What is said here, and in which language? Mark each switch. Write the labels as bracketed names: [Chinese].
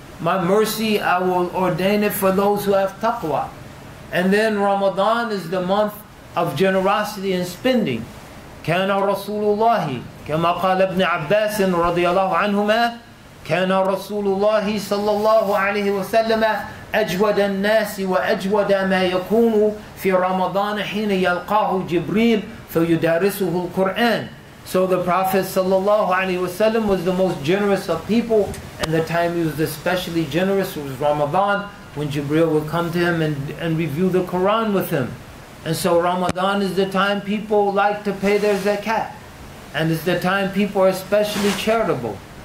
[English] My mercy, I will ordain it for those who have taqwa. And then Ramadan is the month of generosity and spending. [Arabic] كان رسول الله كما قال ابن عباس رضي الله عنهما كان رسول الله صلى الله عليه وسلم أجود الناس وأجود ما يكون في رمضان حين يلقاه جبريل فيدارسه القرآن. [English] So the Prophet [Arabic] صلى الله عليه وسلم [English] was the most generous of people, and the time he was especially generous was Ramadan, when Jibreel would come to him and review the Quran with him. And so Ramadan is the time people like to pay their zakat, and it's the time people are especially charitable.